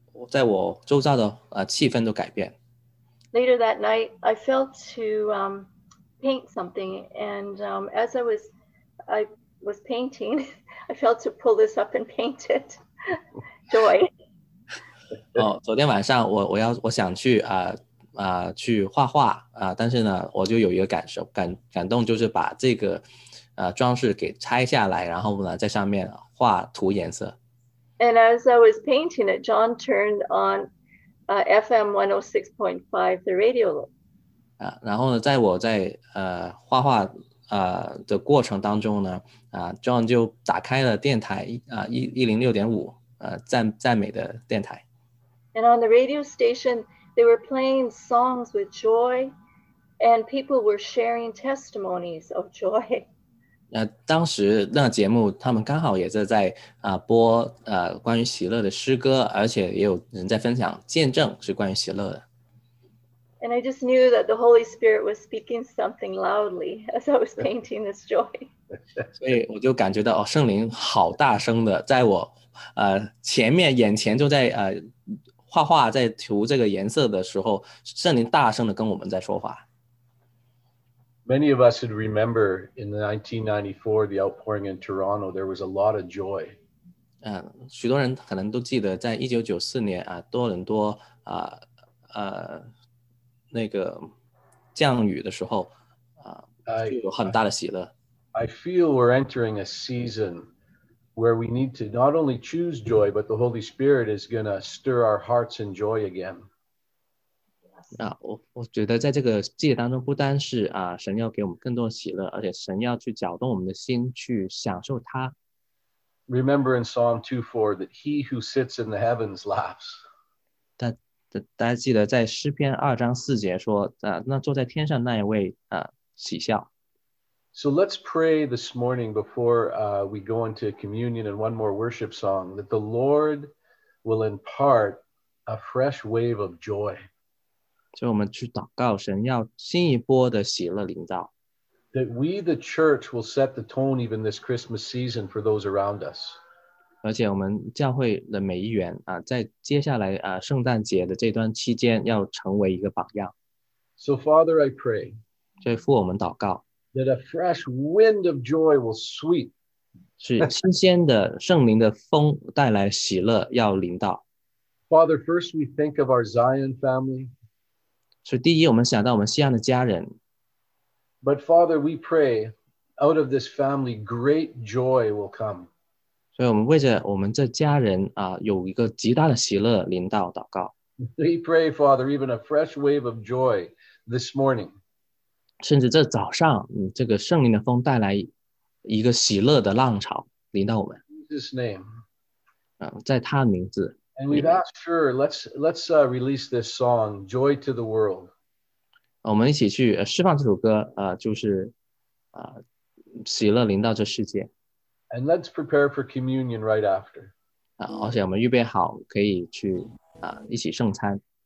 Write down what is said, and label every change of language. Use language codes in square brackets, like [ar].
[zh] 在我周遭的气氛都改变。 [en] Later that night, I felt to paint something, and as I was painting, I felt to pull this up and paint it. Joy. [zh] 昨天晚上我想去去画画但是呢，我就有一个感动，就是把这个装饰给拆下来，然后呢在上面画涂颜色。 [en] And as I was painting it, John turned on FM 106.5, the radio. [zh] 然后呢，在我在画画的过程当中呢，John 就打开了电台106.5赞美的电台。 [en] And on the radio station, they were playing songs with joy, and people were sharing testimonies of joy. [zh] 当时那节目他们刚好也是在播关于喜乐的诗歌，而且也有人在分享见证是关于喜乐的。 [en] And I just knew that the Holy Spirit was speaking something loudly as I was painting this joy. [zh] 所以我就感觉到圣灵好大声的在我前面眼前就在画画在涂这个颜色的时候，圣灵大声的跟我们在说话。 [en] Many of us would remember in 1994, the outpouring in Toronto, there was a lot of joy. [zh] 许多人可能都记得在1994年多伦多那个降雨的时候就有很大的喜乐。 [en] I feel we're entering a season where we need to not only choose joy, but the Holy Spirit is going to stir our hearts in joy again. [zh] 我觉得在这个季节当中不单是神要给我们更多喜乐，而且神要去搅动我们的心去享受它。 [en] Remember in Psalm 2:4 that he who sits in the heavens laughs. [zh] 大家记得在诗篇二章四节说那坐在天上那一位喜笑。 [en] So let's pray this morning before we go into communion and one more worship song that the Lord will impart a fresh wave of joy. [zh] 就我们去祷告神要新一波的喜乐临到。 [en] That we the church will set the tone even this Christmas season for those around us. [zh] 而且我们教会的每一员在接下来圣诞节的这段期间要成为一个榜样。 [en] So Father, I pray. [zh] 所以父我们祷告。 [en] That a fresh wind of joy will sweep. [zh] 是新鲜的圣灵的风带来喜乐要临到。 [en] Father, first we think of our Zion family. [zh] 是第一我们想到我们锡安的家人。 [en] But Father, we pray out of this family great joy will come. [zh] 所以我们为着我们这家人有一个极大的喜乐临到祷告。 [en] We pray, Father, even a fresh wave of joy this morning. [zh] 甚至这早上这个圣灵的风带来一个喜乐的浪潮临到我们。 [en] Jesus name. [zh] 在他的名字。 [en] And we've asked her, let's release this song, Joy to the World. [zh] 我们一起去释放这首歌就是喜乐临到这世界。 [en] And let's prepare for communion right after. [zh] 而且我们预备好可以去一起圣餐。